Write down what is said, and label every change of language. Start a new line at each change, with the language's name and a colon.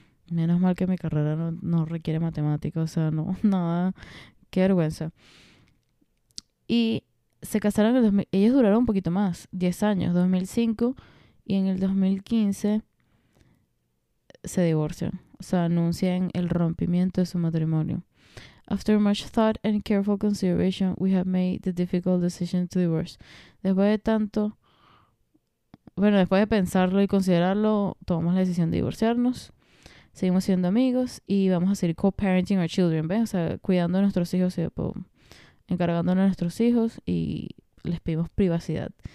Spanish: Menos mal que mi carrera no requiere matemáticas. O sea, no, nada. Qué vergüenza. Y se casaron en el 2000... Ellos duraron un poquito más. 10 años. 2005. Y en el 2015 se divorcian. O sea, anuncian el rompimiento de su matrimonio.
English: After much thought and careful consideration, we have made the difficult decision to divorce.
Spanish: Después de tanto, bueno, después de pensarlo y considerarlo, tomamos la decisión de divorciarnos. Seguimos siendo amigos y vamos a seguir
English: co-parenting our children,
Spanish: ¿ves? O sea, cuidando a nuestros hijos, y, pues, encargándonos a nuestros hijos y les pedimos privacidad.